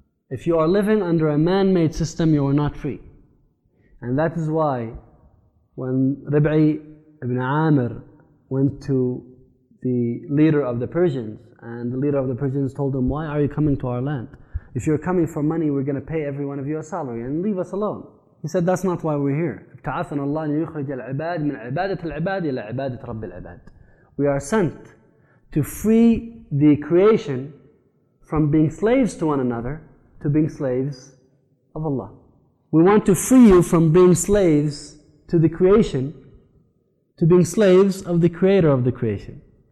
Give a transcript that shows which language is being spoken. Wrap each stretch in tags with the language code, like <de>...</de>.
<en>If you are living under a man-made system, you are not free. And that is why when Rib'i ibn Amir went to the leader of the Persians, and the leader of the Persians told him, why are you coming to our land? If you're coming for money, we're going to pay every one of you a salary and leave us alone. He said, that's not why we're here.</en> <ar>ابتعثنا الله أن يخرج العباد من عبادة العباد إلى عبادة رب العباد.</ar> <en>We are sent to free the creation from being slaves to one another to being slaves of Allah. We want to free you from being slaves to the creation to being slaves of the creator of the creation.</en>